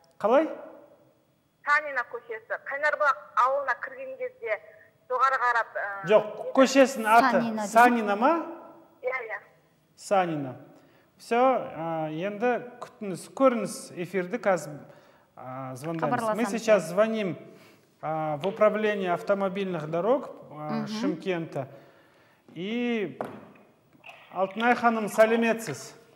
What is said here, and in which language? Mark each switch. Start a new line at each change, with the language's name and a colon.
Kazakh: Қалай? Танина көшесі. Қайнарбұлақ ауылына кірген кезде жоғары қарап. Жоқ, көшесінің аты Санина ма? Иә. Санина.
Russian: Все,
Kazakh: енді күтіңіз, көріңіз эфирді қазір. звонданец.
Russian: Мы сейчас звоним в управление автомобильных дорог Шымкента. И
Kazakh: Алтынай ханым, сәлеметсіз.